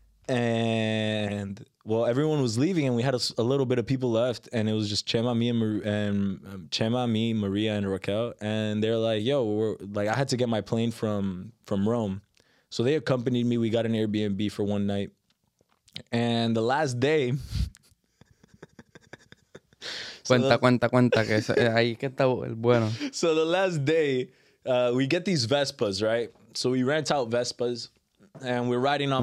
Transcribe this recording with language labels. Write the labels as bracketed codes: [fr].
[en] And well, everyone was leaving, and we had a little bit of people left, and it was just Chema, me, and Maria, and Raquel. And they're like, "Yo, we're like," I had to get my plane from Rome, so they accompanied me. We got an Airbnb for one night, and the last day. [es] Cuenta, que eso, ahí que está el bueno. [en] So the last day, we get these Vespas, right? So we rent out Vespas, and we're riding on